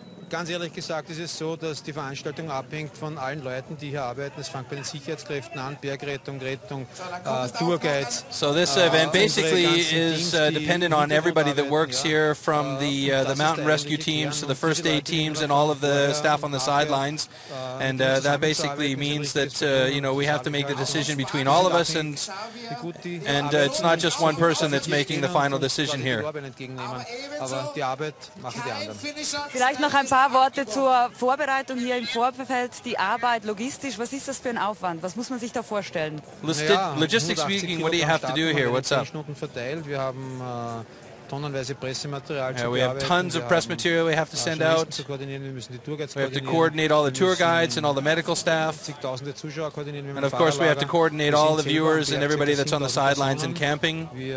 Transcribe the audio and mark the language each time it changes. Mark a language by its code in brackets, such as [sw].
[de] Ganz ehrlich gesagt, ist es so, dass die Veranstaltung abhängt von allen Leuten, die hier arbeiten. Es fängt bei den Sicherheitskräften an, Bergrettung, Rettung, Tourguides. [en] So this event basically is dependent on everybody that works here, from the mountain rescue teams to the first aid teams and all of the staff on the sidelines. And that basically means that you know, we have to make the decision between all of us, and it's not just one person that's making the final decision here. [de] Aber die Arbeit machen die anderen. Vielleicht noch ein paar Worte zur Vorbereitung hier im Vorfeld, die Arbeit logistisch, was ist das für ein Aufwand, was muss man sich da vorstellen? [en] Logistics speaking, what do you have to do here, what's up? [de] Wir haben tonnenweise Pressematerial, [en] we have tons of press material we have to send out, we have to coordinate all the tour guides and all the medical staff, and of course we have to coordinate all the viewers and everybody that's on the sidelines and camping.